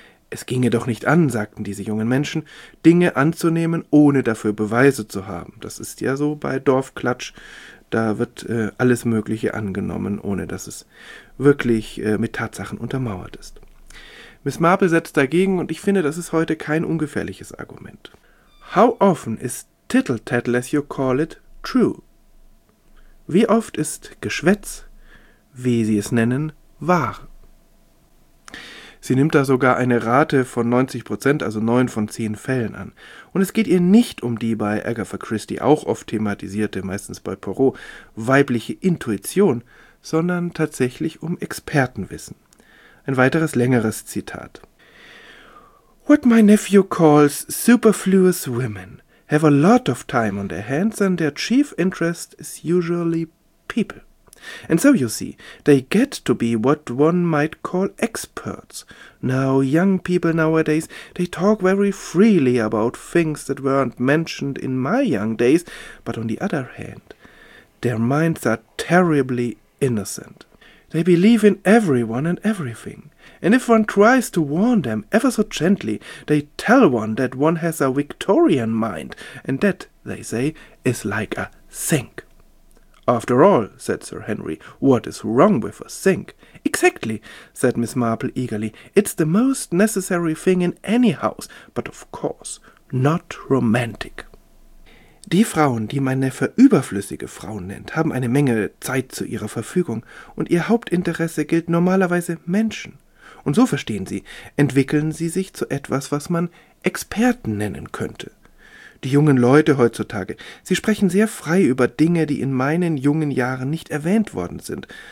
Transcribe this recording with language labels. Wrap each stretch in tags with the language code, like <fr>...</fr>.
<de>Es ginge doch nicht an, sagten diese jungen Menschen, Dinge anzunehmen, ohne dafür Beweise zu haben. Das ist ja so bei Dorfklatsch, da wird alles Mögliche angenommen, ohne dass es wirklich mit Tatsachen untermauert ist. Miss Marple setzt dagegen und ich finde, das ist heute kein ungefährliches Argument.</de> <en>How often is tittle-tattle, as you call it, true?</en> <de>Wie oft ist Geschwätz, wie sie es nennen, wahr? Sie nimmt da sogar eine Rate von 90%, also 9 von 10 Fällen an. Und es geht ihr nicht um die bei Agatha Christie auch oft thematisierte, meistens bei Poirot, weibliche Intuition, sondern tatsächlich um Expertenwissen. Ein weiteres längeres Zitat.</de> <en>What my nephew calls superfluous women have a lot of time on their hands and their chief interest is usually people. And so you see, they get to be what one might call experts. Now, young people nowadays, they talk very freely about things that weren't mentioned in my young days, but on the other hand, their minds are terribly innocent. They believe in everyone and everything. And if one tries to warn them ever so gently, they tell one that one has a Victorian mind, and that, they say, is like a sink. After all, said Sir Henry, what is wrong with a sink? Exactly, said Miss Marple eagerly, it's the most necessary thing in any house, but of course not romantic.</en> <de>Die Frauen, die mein Neffe überflüssige Frauen nennt, haben eine Menge Zeit zu ihrer Verfügung, und ihr Hauptinteresse gilt normalerweise Menschen. Und so, verstehen Sie, entwickeln sie sich zu etwas, was man Experten nennen könnte. Die jungen Leute heutzutage, sie sprechen sehr frei über Dinge, die in meinen jungen Jahren nicht erwähnt worden sind.</de>